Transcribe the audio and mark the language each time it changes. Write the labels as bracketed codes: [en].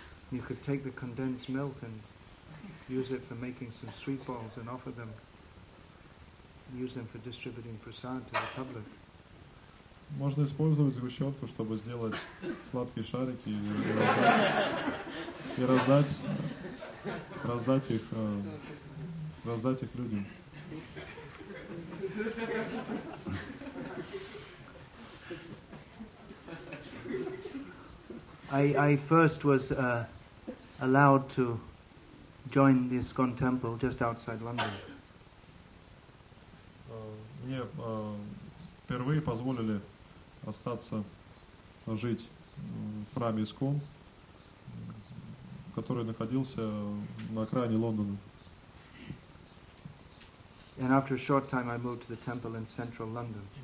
[en] You could take the condensed milk and use it for making some sweet balls and offer them, use them for distributing prasad to the public. [ru] Можно использовать сгущенку, чтобы сделать сладкие шарики и раздать их людям. [en] I first was allowed to join the ISKCON temple just outside London. [ru] Мне впервые позволили остаться жить в храме ISKCON, который находился на окраине Лондона. [en] And after a short time I moved to the temple in central London.